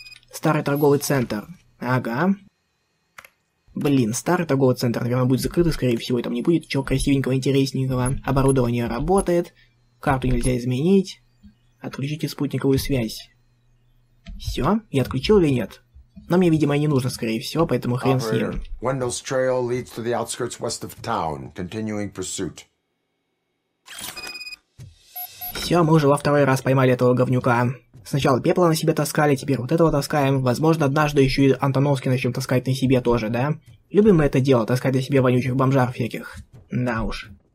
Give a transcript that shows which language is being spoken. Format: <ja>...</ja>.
<ru>Старый торговый центр. Ага. Блин, старый торговый центр, наверное, будет закрыт, скорее всего, и там не будет ничего красивенького, интересненького. Оборудование работает. Карту нельзя изменить. Отключите спутниковую связь. Все, я отключил или нет? Но мне, видимо, не нужно, скорее всего, поэтому хрен с ним.</ru> <en>Wendell's trail leads to the outskirts west of town, continuing pursuit.</en> <ru>Все, мы уже во второй раз поймали этого говнюка. Сначала пепла на себе таскали, теперь вот этого таскаем. Возможно, однажды еще и Антоновский начнем таскать на себе тоже, да? Любим мы это дело, таскать на себе вонючих бомжар всяких. Да уж.</ru>